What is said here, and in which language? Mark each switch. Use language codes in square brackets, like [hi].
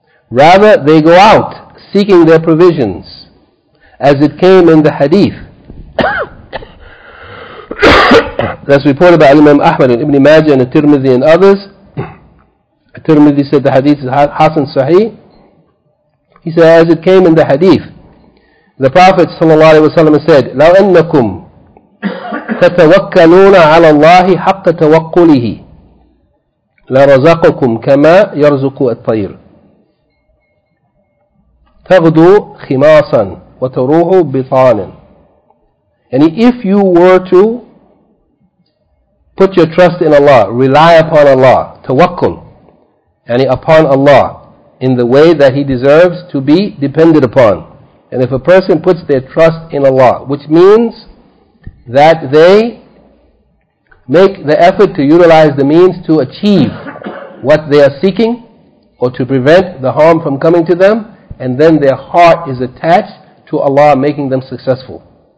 [en] Rather, they go out seeking their provisions. As it came in the hadith that's reported by Imam Ahmad and Ibn Majah and At-Tirmidhi and others. At-Tirmidhi said the hadith is Hasan Sahih. He said, as it came in the hadith, the Prophet ﷺ said, [ar] لَوْ أَنَّكُمْ تَتَوَكَّلُونَ عَلَى اللَّهِ حَقَّ تَوَكُّلِهِ لَرَزَقَكُمْ كَمَا يَرْزُقُ الطَّيْرِ تَغْدُو خِمَاسًا وَتَرُوحُ بِطَانٍ. [en] And if you were to put your trust in Allah, rely upon Allah, tawakkul, and upon Allah in the way that He deserves to be depended upon. And if a person puts their trust in Allah, which means that they make the effort to utilize the means to achieve what they are seeking, or to prevent the harm from coming to them, and then their heart is attached to Allah making them successful.